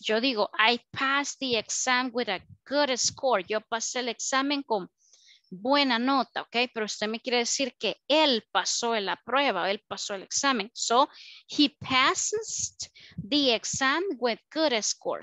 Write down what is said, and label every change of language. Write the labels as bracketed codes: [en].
[es] Yo digo, [en] I passed the exam with a good score. [es] Yo pasé el examen con buena nota, ok. Pero usted me quiere decir que él pasó la prueba, él pasó el examen. [en] So, he passes the exam with good score.